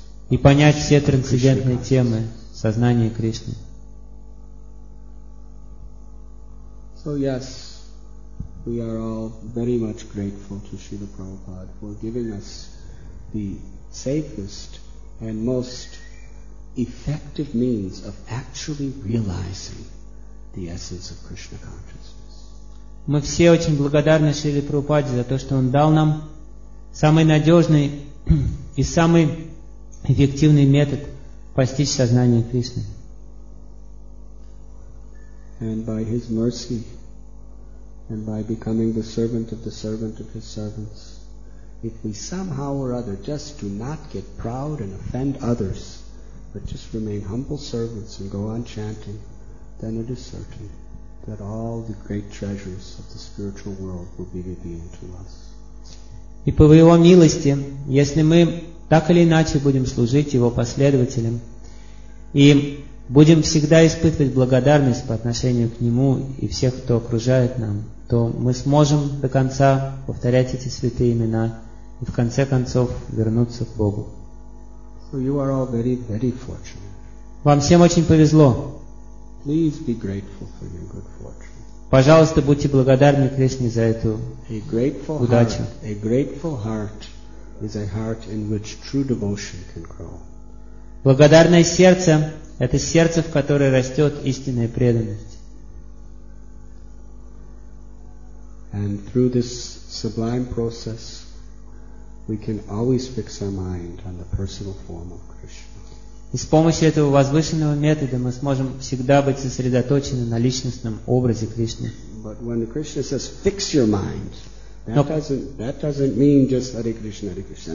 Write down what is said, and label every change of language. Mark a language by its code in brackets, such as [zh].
[ru] И понять все трансцендентные темы сознания Кришны. [en] So yes, we are all very much grateful to Srila Prabhupada for giving us the safest and most effective means of actually realizing the essence of Krishna consciousness. [ru] Мы все очень благодарны Шриле Прабхупаде за то, что он дал нам самый надежный и самый эффективный метод постичь сознание Кришны. [en] And by his mercy, and by becoming the servant of the servant of his servants, if we somehow or other just do not get proud and offend others, but just remain humble servants and go on chanting, then it is certain that all the great treasures of the spiritual world will be revealed to us. [ru] И по его милости, если мы так или иначе будем служить его последователям и будем всегда испытывать благодарность по отношению к нему и всех, кто окружает нам, то мы сможем до конца повторять эти святые имена и в конце концов вернуться к Богу. [en] So you are all very, very fortunate. [ru] Вам всем очень повезло. [en] Please be grateful for your good fortune. [ru] Пожалуйста, будьте благодарны Кришне за эту удачу. [en] A grateful heart is a heart in which true devotion can grow. [ru] Благодарное сердце — это сердце, в которое растет истинная преданность. [en] And through this sublime process, we can always fix our mind on the personal form of Krishna. [ru] И с помощью этого возвышенного метода мы сможем всегда быть сосредоточены на личностном образе Кришны. [en] But when Krishna says, "Fix your mind," that doesn't mean just Hare Krishna, Hare Krishna.